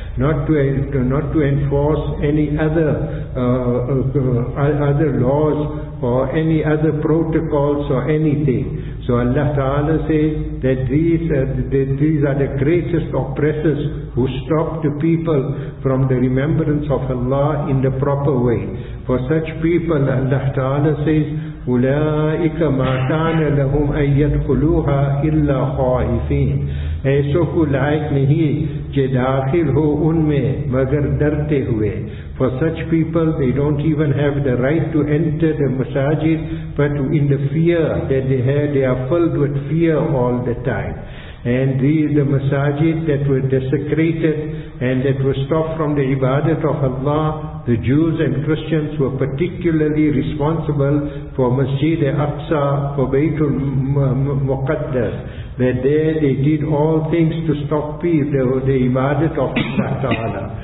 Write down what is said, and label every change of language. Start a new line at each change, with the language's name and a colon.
English: Not to enforce any other other laws or any other protocols or anything. So Allah Ta'ala says that these are the greatest oppressors who stop the people from the remembrance of Allah in the proper way. For such people, Allah Ta'ala says,
Arabic: أُولَٰئِكَ مَا كَانَ لَهُمْ أَن يَدْخُلُوهَا إِلَّا خَائِفِينَ.
Urdu: ایسو کو لائق نہیں کہ داخل ہو ان میں مگر ڈرتے ہوئے.
English: For such people, they don't even have the right to enter the masajid, but in the fear that they have, they are filled with fear all the time. and the masajid that were desecrated and that were stopped from the ibadat of Allah, the Jews and Christians were particularly responsible for Masjid al-Aqsa, for Baytul Muqaddas, that there they did all things to stop the ibadat of Allah Ta'ala.